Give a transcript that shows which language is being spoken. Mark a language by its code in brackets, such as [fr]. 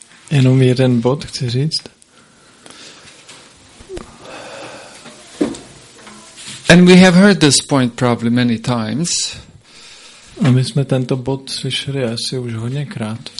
[cs] Jenom jeden bod chci říct. [en] And we have heard this point probably many times. [cs] A my jsme tento bod slyšeli asi už hodněkrát.